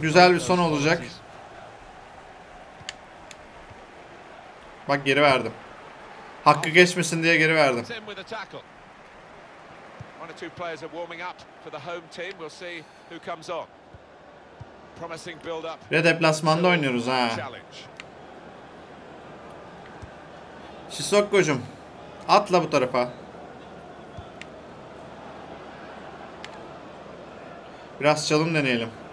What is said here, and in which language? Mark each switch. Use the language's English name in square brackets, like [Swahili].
[Turkish] Güzel bir son olacak. Bak geri verdim. Hakkı geçmesin diye geri verdim. [English] Two players are warming up for the home team. We'll see who comes on. Promising build up. [Turkish] Ve deplasmanda oynuyoruz ha. Sissoko'cum. Atla bu tarafa. Biraz çalım deneyelim.